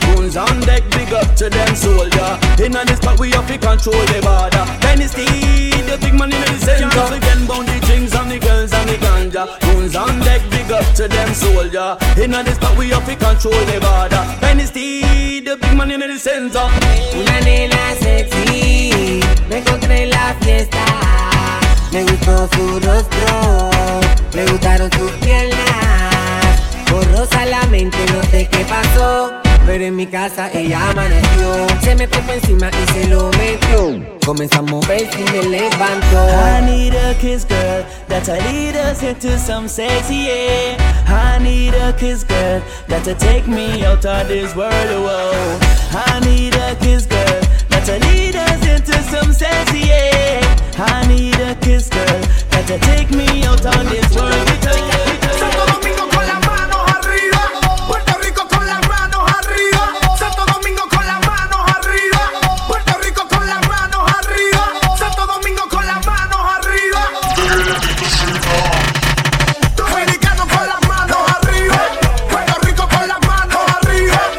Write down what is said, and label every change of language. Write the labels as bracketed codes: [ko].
[en] Guns on deck, big up to them soldier. In on this spot, we have to control the border. Dynasty, the big man in the center. Can't forget about the drinks and the girls and the ganja. Guns on deck, big up to them soldier. In on this spot, we have to control the border. Dynasty, the big man in the center. [es] Una nena sexy, me encontré en la fiesta. Me gustó su rostro, me gustaron sus piernas. Borrosa la mente, no sé qué pasó, pero en mi casa ella amaneció. Se me puso encima y se lo metió. Comenzamos a ver si me levantó. [en] I need a kiss, girl, that'll lead us into some sexy, yeah. I need a kiss, girl, that'll take me out of this world, oh. I need a kiss, girl, that'll lead us into some sexy, yeah. I need a kiss, girl, that to take me out on this world. [es] Santo Domingo con las manos arriba, Puerto Rico con las manos arriba. Santo Domingo con las manos arriba, Puerto Rico con las manos arriba. Santo Domingo con las manos arriba. Dominicano con las manos arriba, Puerto Rico con las manos arriba.